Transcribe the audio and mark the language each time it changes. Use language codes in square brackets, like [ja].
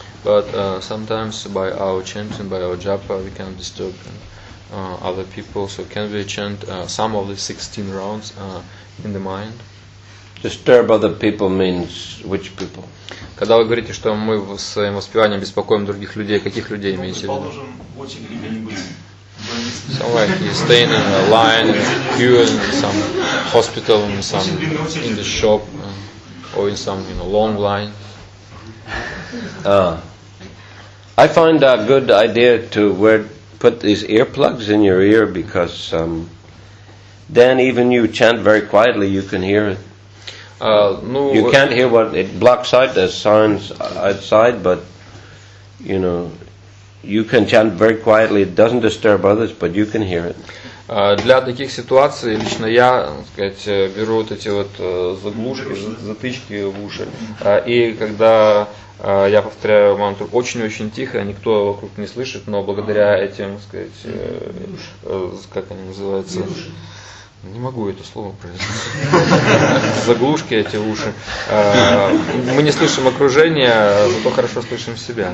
[en] But sometimes by our chanting, by our japa, we can disturb other people. So can we chant some of the 16 rounds in the mind? Disturb other people means which people? [ru] Когда вы говорите, что мы своим воспеванием беспокоим других людей, каких людей имеете в виду? [en] So like you stay in a line, in a queue, in some hospital, in some in the shop, or in some, you know, long line. I find a good idea to wear, put these earplugs in your ear, because then even you chant very quietly, you can hear it. You can't hear what it blocks out the sounds outside, but you know, you can chant very quietly. It doesn't disturb others, but you can hear it. [ru] Для таких ситуаций лично я, так сказать, беру вот эти вот заглушки, затычки в уши, и когда я повторяю мантру очень-очень тихо, никто вокруг не слышит, но благодаря этим, так сказать, как они называются, не могу это слово произнести, заглушки эти в уши, мы не слышим окружение, зато хорошо слышим себя.